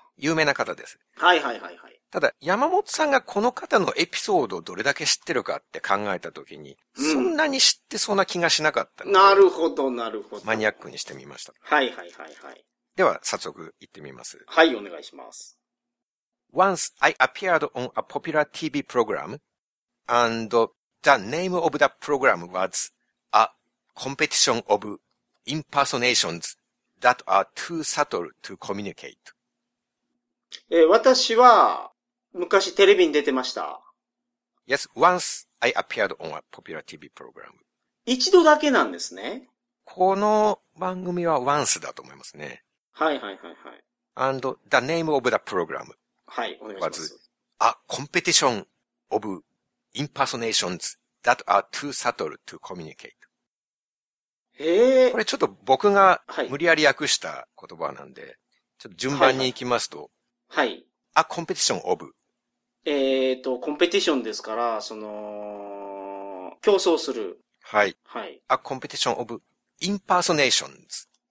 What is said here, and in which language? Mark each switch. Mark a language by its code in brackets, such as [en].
[ja] 有名な方です。はいはいはいはい。ただ、山本さんがこの方のエピソードをどれだけ知ってるかって考えたときに、うん、そんなに知ってそうな気がしなかったので。 なるほど、なるほど。マニアックにしてみました。はいはいはいはい。では、早速行ってみます。はい、お願いします。 [en] Once I appeared on a popular TV program, and the name of that program was a competition of impersonations that are too subtle to communicate. [ja] 私は昔テレビに出てました。 [en] Yes, once I appeared on a popular TV program. [ja] 一度だけなんですね。この番組は once だと思いますね。はいはいはいはい。 [en] And the name of the program. [ja] はい、お願いします。 [en] A competition of impersonations that are too subtle to communicate. [ja] これちょっと僕が無理やり訳した言葉なんで、はい、ちょっと順番に行きますと、はいはいはい。 [en] A competition of. [ja] コンペティションですから、競争する。はい。はい。 [en] A competition of impersonations.